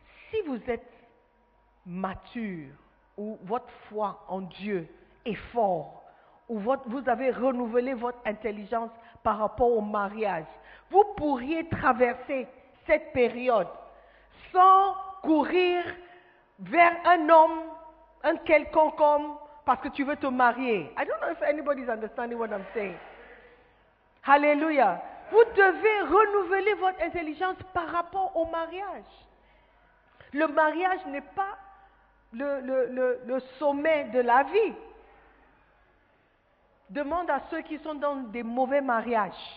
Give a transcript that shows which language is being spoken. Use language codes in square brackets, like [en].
[fr] si vous êtes mature ou votre foi en Dieu est forte ou vous avez renouvelé votre intelligence par rapport au mariage, vous pourriez traverser cette période sans courir vers un homme, un quelconque homme, parce que tu veux te marier. [en] I don't know if anybody's understanding what I'm saying. Hallelujah. [fr] Vous devez renouveler votre intelligence par rapport au mariage. Le mariage n'est pas le sommet de la vie. Demande à ceux qui sont dans des mauvais mariages.